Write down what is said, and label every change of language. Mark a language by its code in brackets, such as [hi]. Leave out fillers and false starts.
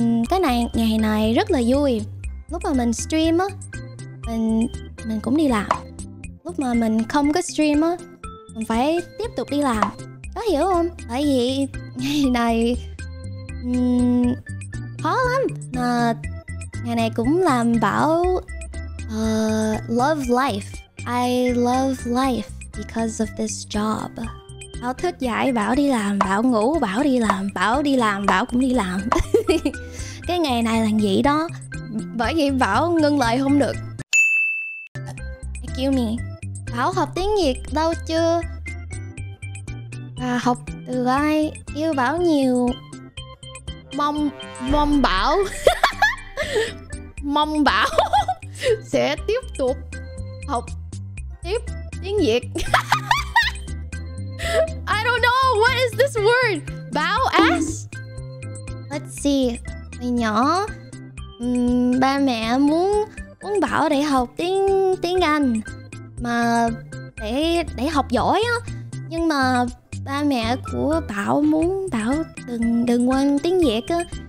[vi] Cái này ngày này rất là vui. Lúc mà mình stream á, mình cũng đi làm. Lúc mà mình không có stream á, mình phải tiếp tục đi làm. Có hiểu không? Bởi vì ngày này khó lắm. Mà ngày này cũng làm Bảo love life. [en] I love life because of this job. [vi] Bảo thức dậy, Bảo đi làm, Bảo ngủ, Bảo đi làm, Bảo đi làm, Bảo cũng đi làm. Cái ngày này là gì đó. Bởi vì Bảo ngưng lại không được. Excuse me. Bảo học tiếng Việt lâu chưa? À, học từ ai? Yêu Bảo nhiều. Mong Bảo. Mong Bảo sẽ tiếp tục học tiếp tiếng Việt. [en] I don't know what is this word. Bao ass. Let's see. [vi] Mày nhỏ, ba mẹ muốn Bảo để học tiếng Anh mà để học giỏi á. Nhưng mà ba mẹ của Bảo muốn Bảo đừng quên tiếng Việt á.